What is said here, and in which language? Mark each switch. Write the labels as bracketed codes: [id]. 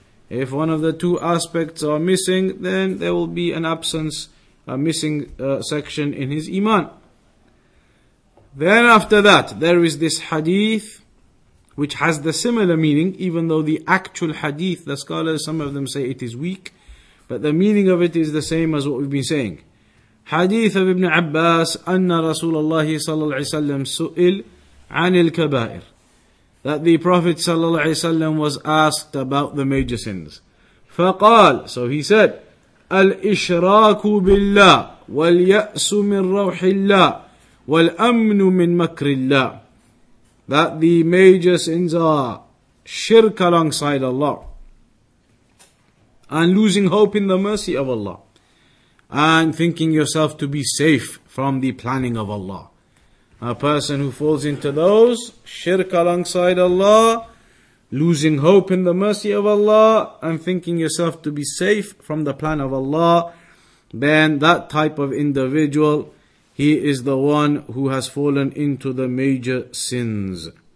[en] If one of the two aspects are missing, then there will be an absence, a missing section in his iman. Then after that, there is this hadith, which has the similar meaning, even though the actual hadith, the scholars, some of them say it is weak, but the meaning of it is the same as what we've been saying. Hadith of Ibn Abbas, [ar] أن رسول الله صلى الله عليه وسلم سئل عن الكبائر. [en] That the Prophet [ar] صلى الله عليه وسلم [en] was asked about the major sins. [ar] فقال, [en] so he said, [ar] الإشراك بالله واليأس من روح الله والأمن من مكر الله. [en] That the major sins are shirk alongside Allah and losing hope in the mercy of Allah and thinking yourself to be safe from the planning of Allah. A person who falls into those, shirk alongside Allah, losing hope in the mercy of Allah, and thinking yourself to be safe from the plan of Allah, then that type of individual, he is the one who has fallen into the major sins.